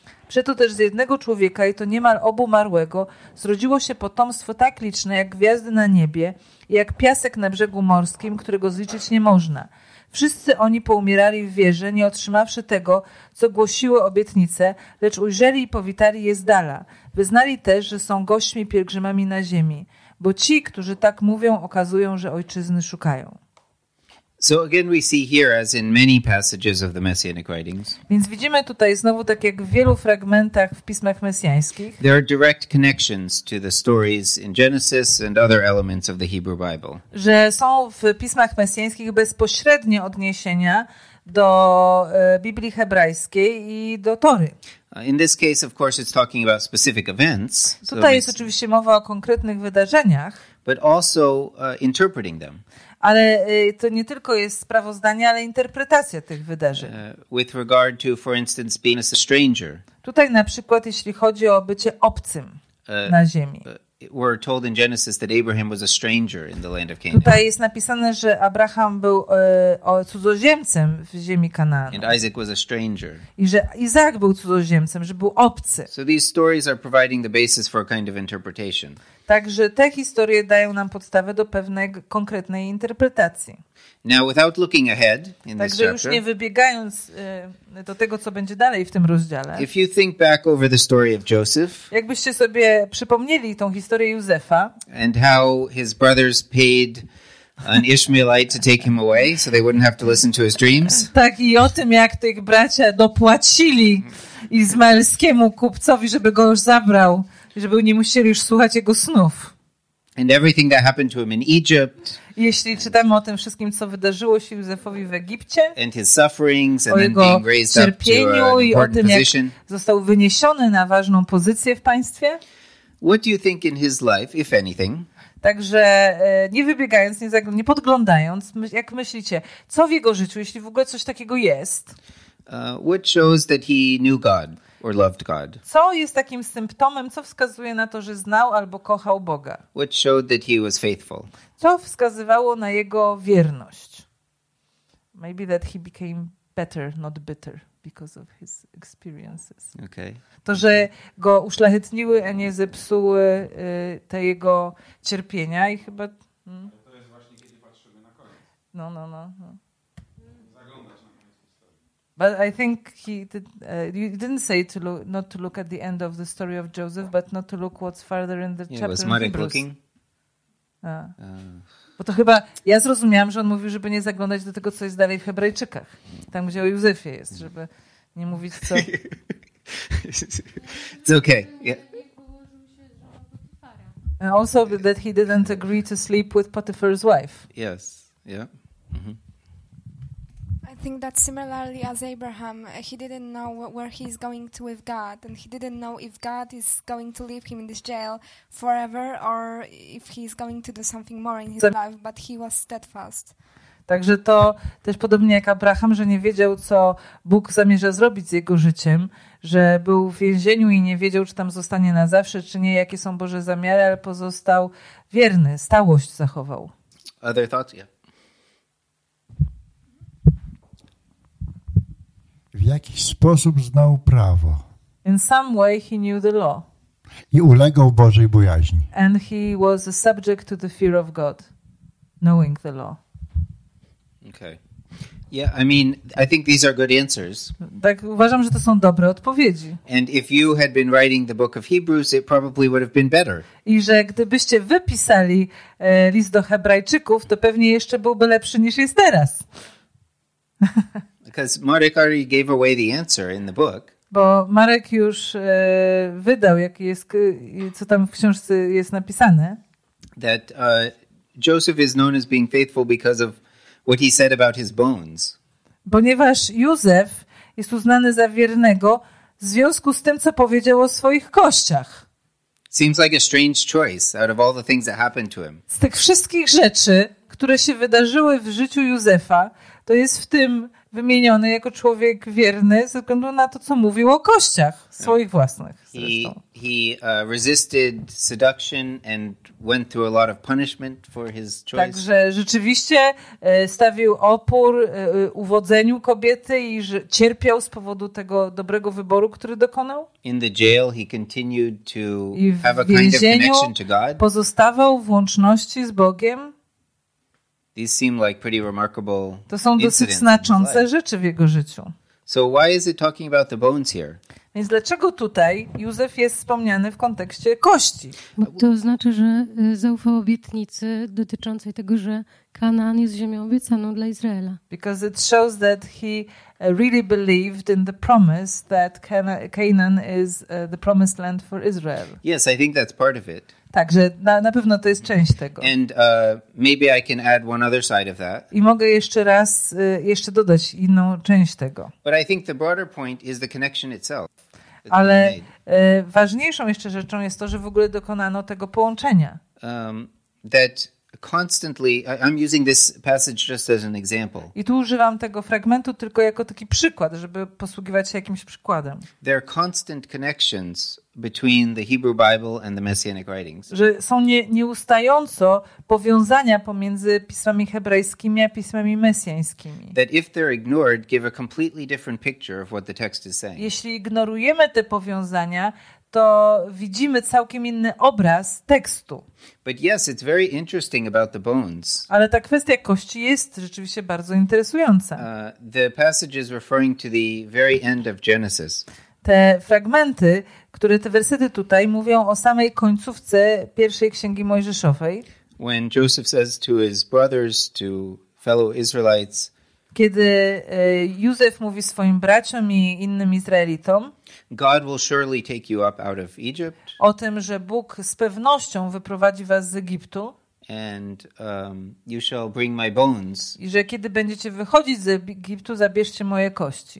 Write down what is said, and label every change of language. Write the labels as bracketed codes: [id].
[pl] Przeto też z jednego człowieka i to niemal obumarłego zrodziło się potomstwo tak liczne jak gwiazdy na niebie i jak piasek na brzegu morskim, którego zliczyć nie można. Wszyscy oni poumierali w wierze, nie otrzymawszy tego, co głosiły obietnice, lecz ujrzeli i powitali je z dala. Wyznali też, że są gośćmi pielgrzymami na ziemi. Bo ci, którzy tak mówią, okazują, że ojczyzny szukają. [en] So again we see here, as in many passages of the messianic writings. [pl] Więc widzimy tutaj znowu tak jak w wielu fragmentach w pismach mesjańskich. [en] There are direct connections to the stories in Genesis and other elements of the Hebrew Bible. [pl] Że są w pismach mesjańskich bezpośrednie odniesienia do Biblii hebrajskiej i do Tory. [en] In this case, of course, it's talking about specific events. [pl] Tutaj jest oczywiście mowa o konkretnych wydarzeniach. [en] But also interpreting them. [pl] Ale to nie tylko jest sprawozdanie, ale interpretacja tych wydarzeń. [en] With regard to, for instance, being a stranger. [pl] Tutaj na przykład, jeśli chodzi o bycie obcym na ziemi. [en] We're told in Genesis that Abraham was a stranger in the land of Canaan. [pl] Tutaj jest napisane, że Abraham był cudzoziemcem w ziemi Kanaanu. [en] And Isaac was a stranger. [pl] I że Izaak był cudzoziemcem, że był obcy. [en] So these stories are providing the basis for a kind of interpretation. [pl] Także te historie dają nam podstawę do pewnej konkretnej interpretacji. [en] Now, without looking ahead in [pl] Także [en] this [pl] już nie wybiegając do tego, co będzie dalej w tym rozdziale, [en] if you think back over the story of Joseph, [pl] jakbyście sobie przypomnieli tą historię Józefa [en] and how his brothers paid an Ishmaelite to take him away so they wouldn't have to listen to his dreams. [pl] Tak, i o tym, jak tych bracia dopłacili izmaelskiemu kupcowi, żeby go już zabrał, żeby nie musieli już słuchać jego snów. [en] And everything that happened to him in Egypt. [pl] Jeśli czytamy o tym wszystkim, co wydarzyło się Józefowi w Egipcie, [en] and his sufferings, and [pl] o jego cierpieniu i o tym, [en] position, [pl] jak został wyniesiony na ważną pozycję w państwie. [en] What do you think in his life, if anything? [pl] Także nie wybiegając, nie podglądając, jak myślicie, co w jego życiu, jeśli w ogóle coś takiego jest? [en] What shows that he knew God or loved God? [pl] Co jest takim symptomem, co wskazuje na to, że znał albo kochał Boga? [en] What showed that he was faithful? [pl] Co wskazywało na jego wierność? [en] Maybe that he became better, not bitter, because of his experiences. Okay. [pl] To, że go uszlachetniły, a nie zepsuły te jego cierpienia i chyba... To jest właśnie, kiedy patrzymy na koniec. No. Zaglądasz na koniec historii. [en] But I think he did, you didn't say to look, not to look at the end of the story of Joseph, but not to look what's farther in the chapter was Marek looking? [pl] Bo to chyba, ja zrozumiałam, że on mówił, żeby nie zaglądać do tego, co jest dalej w Hebrajczykach. Tam, gdzie o Józefie jest, żeby nie mówić, co... [en] It's okay. Yeah. And also that he didn't agree to sleep with Potiphar's wife. Yes. Yeah. Mm-hmm. I think that similarly as Abraham, he didn't know where he's going to with God, and he didn't know if God is going to leave him in this jail forever or if he's going to do something more in his life, but he was steadfast. [pl] Także to też podobnie jak Abraham, że nie wiedział, co Bóg zamierza zrobić z jego życiem, że był w więzieniu i nie wiedział, czy tam zostanie na zawsze, czy nie, jakie są Boże zamiary, ale pozostał wierny, stałość zachował. [en] Other thoughts? Yeah. [pl] W jakiś sposób znał prawo. [en] In some way he knew the law. [pl] I ulegał Bożej bojaźni. [en] And he was a subject to the fear of God, knowing the law. Okay. Yeah, I mean, I think these are good answers. [pl] Tak, uważam, że to są dobre odpowiedzi. [en] And if you had been writing the book of Hebrews, it probably would have been better. [pl] I że gdybyście wypisali list do Hebrajczyków, to pewnie jeszcze byłby lepszy niż jest teraz. [en] Because Marek already gave away the answer in the book. [pl] Bo Marek już wydał, jaki jest, co tam w książce jest napisane. [en] That Joseph is known as being faithful because of what he said about his bones. [pl] Ponieważ Józef jest uznany za wiernego w związku z tym, co powiedział o swoich kościach. [en] Seems like a strange choice out of all the things that happened to him. [pl] Z tych wszystkich rzeczy, które się wydarzyły w życiu Józefa, to jest w tym wymieniony jako człowiek wierny ze względu na to, co mówił o kościach swoich własnych. [en] He resisted seduction and went through a lot of punishment for his choice. [pl] Także rzeczywiście stawił opór uwodzeniu kobiety i cierpiał z powodu tego dobrego wyboru, który dokonał. [en] In the jail he continued to have a kind of connection to God. [pl] Pozostawał w łączności z Bogiem. [en] These seem like pretty remarkable. [pl] To są dosyć znaczące rzeczy w jego życiu. [en] So why is it talking about the bones here? [pl] Więc dlaczego tutaj Józef jest wspomniany w kontekście kości? Bo to znaczy, że zaufał obietnicy dotyczącej tego, że Kanaan jest ziemią obiecaną dla Izraela. [en] Because it shows that he really believed in the promise that Canaan is the promised land for Israel. Yes, I think that's part of it. [pl] Także na pewno to jest część tego. [en] And maybe I can add one other side of that. [pl] I mogę jeszcze raz jeszcze dodać inną część tego. [en] But I think the broader point is the connection itself. [pl] Ale ważniejszą jeszcze rzeczą jest to, że w ogóle dokonano tego połączenia. [en] That constantly, I'm using this passage just as an example. [pl] I tu używam tego fragmentu tylko jako taki przykład, żeby posługiwać się jakimś przykładem. [en] There are constant connections between the Hebrew Bible and the Messianic writings. [pl] Że są nieustająco powiązania pomiędzy pismami hebrajskimi a pismami mesjańskimi. [en] That if they're ignored, give a completely different picture of what the text is saying. [pl] Jeśli ignorujemy te powiązania, to widzimy całkiem inny obraz tekstu. [en] But yes, it's very interesting about the bones. [pl] Ale ta kwestia kości jest rzeczywiście bardzo interesująca. [en] The passage is referring to the very end of Genesis. [pl] Te fragmenty, które te wersety tutaj mówią o samej końcówce pierwszej księgi Mojżeszowej. [en] When Joseph says to his brothers, to fellow Israelites, [pl] kiedy Józef mówi swoim braciom i innym Izraelitom, [en] God will surely take you up out of Egypt. [pl] O tym, że Bóg z pewnością wyprowadzi was z Egiptu. [en] And you shall bring my bones. [pl] I że kiedy będziecie wychodzić z Egiptu, zabierzcie moje kości.